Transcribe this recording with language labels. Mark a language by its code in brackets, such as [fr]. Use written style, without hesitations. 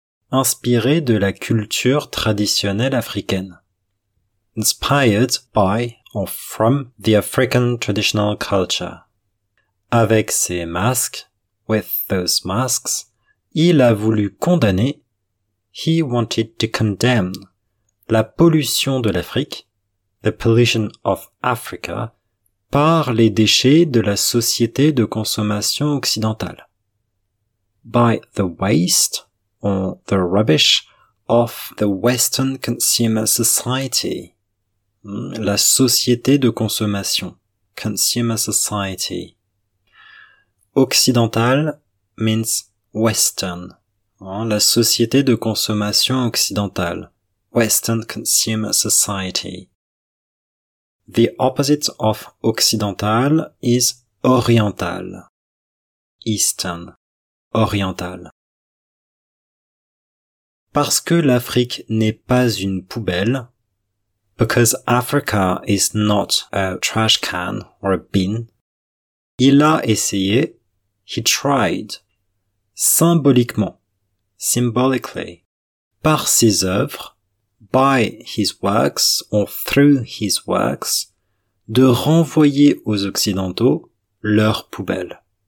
[fr] Inspiré de la culture traditionnelle africaine. [en] Inspired by or from the African traditional culture. [fr] Avec ses masques, [en] with those masks, [fr] il a voulu condamner, [en] he wanted to condemn, [fr] la pollution de l'Afrique, [en] the pollution of Africa, [fr] par les déchets de la société de consommation occidentale. [en] By the waste or the rubbish of the Western consumer society. [fr] La société de consommation. [en] Consumer society. Occidental means Western. [fr] La société de consommation occidentale. [en] Western consumer society. The opposite of occidental is oriental. Eastern. Oriental. [fr] Parce que l'Afrique n'est pas une poubelle. [en] Because Africa is not a trash can or a bin. [fr] Il a essayé. [en] He tried. [fr] Symboliquement. [en] Symbolically. [fr] Par ses œuvres. [en] By his works or through his works, [fr] de renvoyer aux Occidentaux leur poubelle.